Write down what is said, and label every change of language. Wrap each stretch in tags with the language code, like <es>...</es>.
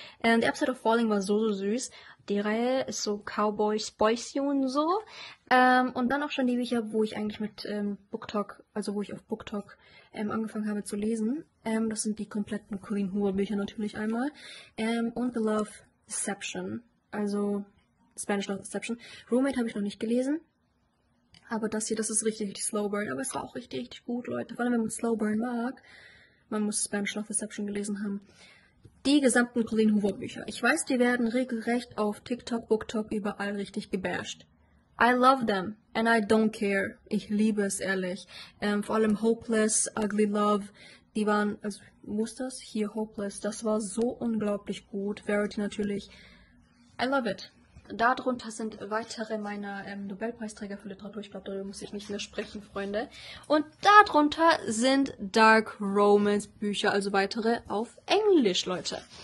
<de>The Upside of Falling war so, so süß. Die Reihe ist so Cowboy-Spicy und so. Und dann auch schon die Bücher, wo ich eigentlich mit BookTok, also wo ich auf BookTok angefangen habe zu lesen. Das sind die kompletten Colleen Hoover Bücher natürlich einmal. Und The Love Deception. Also Spanish Love Deception. Roommate habe ich noch nicht gelesen. Aber das hier, das ist richtig, richtig Slow Burn. Aber es war auch richtig, richtig gut, Leute. Vor allem, wenn man Slow Burn mag, man muss Spanish Love Deception gelesen haben. Die gesamten Colleen Hoover Bücher. Ich weiß, die werden regelrecht auf TikTok, BookTok überall richtig gebasht.</de> <en>I love them and I don't care.</en> <de>Ich liebe es, ehrlich. Vor allem Hopeless, Ugly Love, die waren, also muss das hier Hopeless, das war so unglaublich gut. Verity natürlich.</de> <en>I love it.</en> <de>Darunter sind weitere meiner Nobelpreisträger für Literatur. Ich glaube, darüber muss ich nicht mehr sprechen, Freunde. Und darunter sind Dark Romance Bücher, also weitere auf Englisch, Leute.</de>